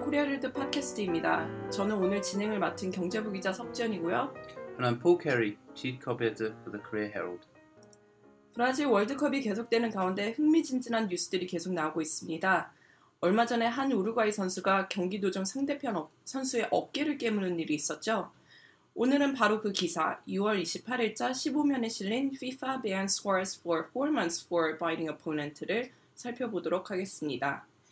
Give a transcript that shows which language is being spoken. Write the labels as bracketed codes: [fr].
[ko] 코리아일드 팟캐스트입니다. 저는 오늘 진행을 맡은 경제부 기자 석지연이고요. [en] And I'm Paul Kerry, chief cup editor for the Korea Herald. [ko] 브라질 월드컵이 계속되는 가운데 흥미진진한 뉴스들이 계속 나오고 있습니다. 얼마 전에 한 우루과이 선수가 경기 도중 상대편 선수의 어깨를 깨무는 일이 있었죠. 오늘은 바로 그 기사, 6월 28일자 15면에 실린 [en] FIFA banned scores for 4 months for biting opponent [ko] 를 살펴보도록 하겠습니다.